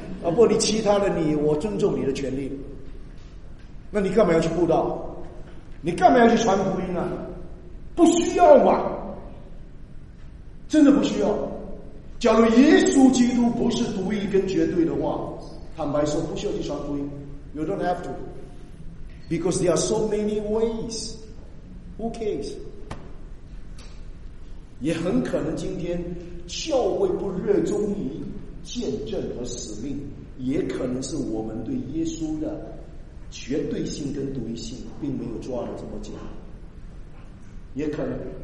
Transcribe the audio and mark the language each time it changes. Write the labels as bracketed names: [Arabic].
[Chinese] 啊，不，你其他的你，我尊重你的权利。那你干嘛要去布道？你干嘛要去传福音啊？不需要嘛，真的不需要。假如耶稣基督不是独一跟绝对的话，坦白说，不需要去传福音。 [English] You don't have to, because there are so many ways. Who cares? [Chinese] 也很可能今天教会不热衷于见证和使命，也可能是我们对耶稣的绝对性跟独一性并没有抓得这么紧，也可能。